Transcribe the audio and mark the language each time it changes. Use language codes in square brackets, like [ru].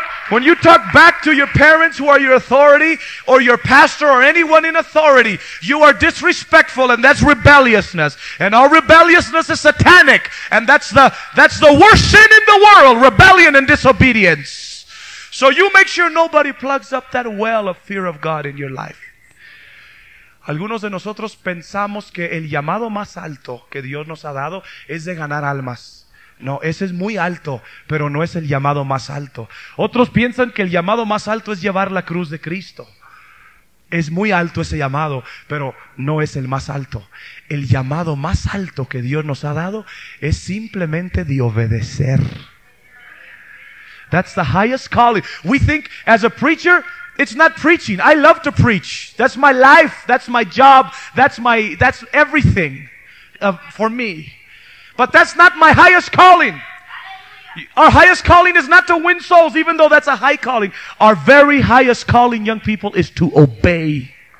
[en] When you talk back to your parents who are your authority, or your pastor, or anyone in authority, you are disrespectful, and that's rebelliousness. And all rebelliousness is satanic, and that's the worst sin in the world, rebellion and disobedience. So you make sure nobody plugs up that well of fear of God in your life. [es] Algunos de nosotros pensamos que el llamado más alto que Dios nos ha dado es de ganar almas. No, ese es muy alto, pero no es el llamado más alto. Otros piensan que el llamado más alto es llevar la cruz de Cristo. Es muy alto ese llamado, pero no es el más alto. El llamado más alto que Dios nos ha dado es simplemente de obedecer. [en] That's the highest calling. We think as a preacher, it's not preaching. I love to preach. That's my life. That's my job. That's everything for me. But that's not my highest calling. Our highest calling is not to win souls, even though that's a high calling. Our very highest calling, young people, is to obey.